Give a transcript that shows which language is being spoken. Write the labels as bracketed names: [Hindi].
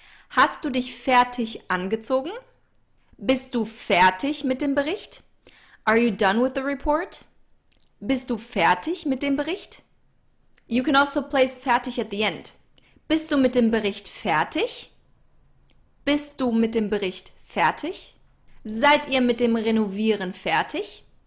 [German] Hast du dich fertig angezogen? Bist du fertig mit dem Bericht? [English] Are you done with the report? [German] Bist du fertig mit dem Bericht? [English] You can also place fertig at the end. [German] Bist du mit dem Bericht fertig? Bist du mit dem Bericht fertig? Seid ihr mit dem Renovieren fertig?